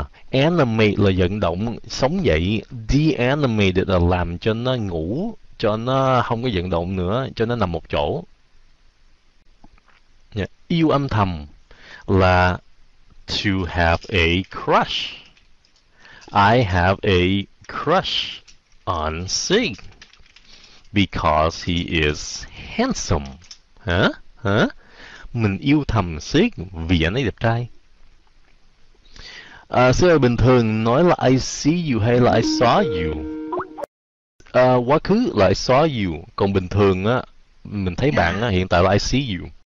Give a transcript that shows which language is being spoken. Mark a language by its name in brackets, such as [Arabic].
[Vietnamese] Animate là vận động, sống dậy. Deanimated là làm cho nó ngủ, cho nó không có vận động nữa, cho nó nằm một chỗ. Yeah. Yêu âm thầm là [English] to have a crush. I have a crush on C because he is handsome. Huh? Huh? [Vietnamese] Mình yêu thầm C vì anh ấy đẹp trai. Sư ơi, bình thường nói là [English] I see you [Vietnamese] hay là [English] I saw you? [Vietnamese] Quá khứ là [English] I saw you. [Vietnamese] Còn bình thường á, mình thấy bạn á, hiện tại là [English] I see you.